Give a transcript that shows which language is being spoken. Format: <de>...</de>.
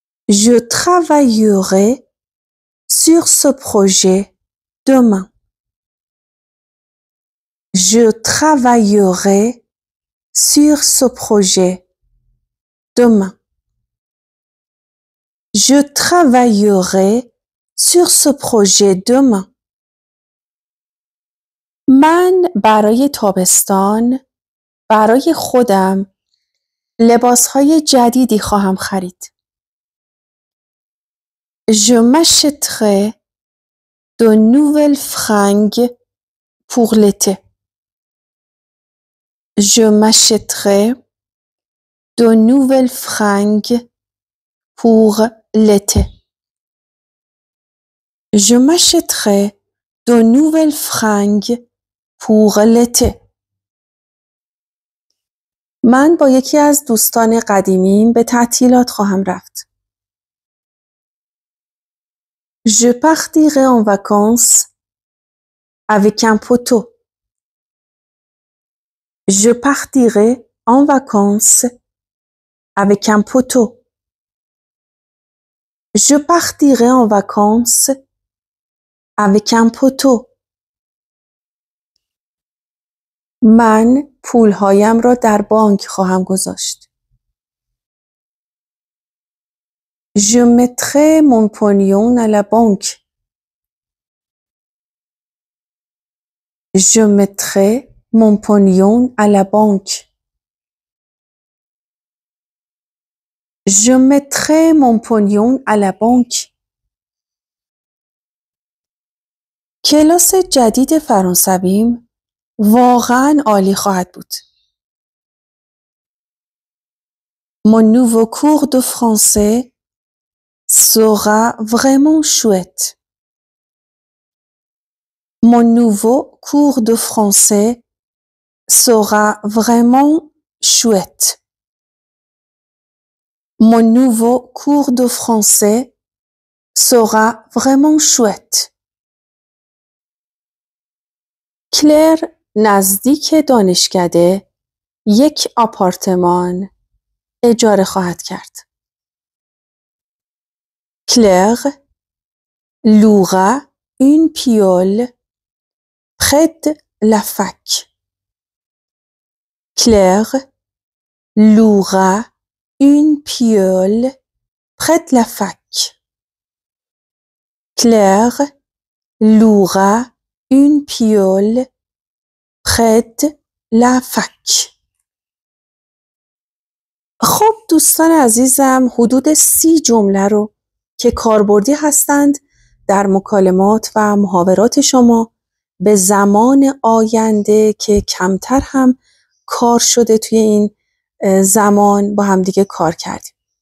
<fr>Je travaillerai sur ce projet demain. Je travaillerai sur ce projet demain. Je travaillerai sur ce projet demain.</fr> <fa>من برای تابستان برای خودم لباس‌های جدیدی خواهم خرید.</fa> <fr>Je m'achèterai de nouvelles fringues pour l'été. Je m'achèterai de nouvelles fringues pour l'été. Je m'achèterai de nouvelles fringues pour l'été.</fr> <fa>من با یکی از دوستان قدیمیم به تعطیلات خواهم رفت.</fa> <fr>Je partirai en vacances avec un poteau. Je partirai en vacances avec un poteau. Je partirai en vacances avec un poteau.</fr> <fa>من پولهایم را در بانک خواهم گذاشت.</fa> <fr>Je mettrai mon pognon à la banque. Je mettrai mon pognon à la banque. Je mettrai mon pognon à la banque.</fr> <fa>کلاس جدید فرانسویم واقعاً عالی خواهد بود.</fa> <fr>Mon nouveau cours de français sera vraiment chouette. Mon nouveau cours de français sera vraiment chouette. Mon nouveau cours de français sera vraiment chouette.</fr> <fa>Claire, نزدیک دانشکده یک آپارتمان اجاره خواهد کرد.</fa> <fr>Claire louera une piole près de la fac. Claire louera une piole près de la fac. Claire louera une piole près de la fac.</fr> <fa>خب دوستان عزیزم، حدود 30 جمله رو که کاربردی هستند در مکالمات و محاورات شما به زمان آینده که کمتر هم کار شده توی این زمان با همدیگه کار کردیم.</fa>